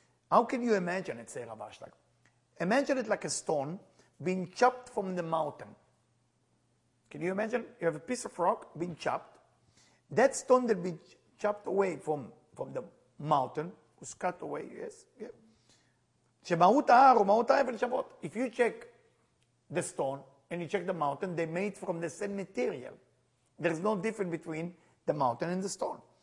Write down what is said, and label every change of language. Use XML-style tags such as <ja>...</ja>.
<en>How can you imagine it, say Rav Ashlag? Imagine it like a stone being chopped from the mountain. Can you imagine? You have a piece of rock being chopped. That stone that being chopped away from the mountain, was cut away, yes?</en> <he>שמהות ההר ומהות האבן שוות.</he> <en>If you check the stone and you check the mountain, they're made from the same material. There is no difference between the mountain and the stone.</en>